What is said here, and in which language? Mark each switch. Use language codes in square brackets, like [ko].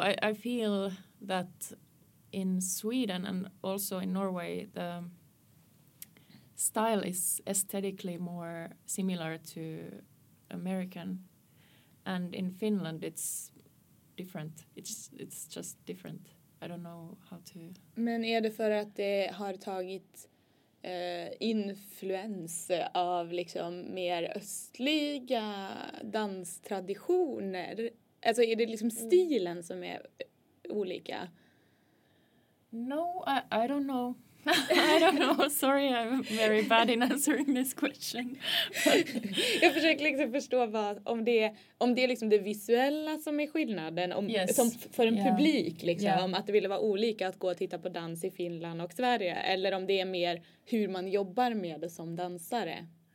[en] I feel that in Sweden and also in Norway, the style is aesthetically more similar to American, and in Finland it's different. It's just different. I don't know how to. [sv] Men är det för att det har tagit influens av liksom mer östliga danstraditioner? Alltså, är det liksom stilen som är olika? [en] No, I don't know. I don't know. Sorry, I'm very bad in answering this question. [sv] Jag försöker liksom förstå vad, om det är liksom det visuella som är skillnaden. [en] Yes. [sv] Som för en publik, liksom, att det ville vara olika att gå och titta på dans i Finland och Sverige. Eller om det är mer hur man jobbar med det som dansare.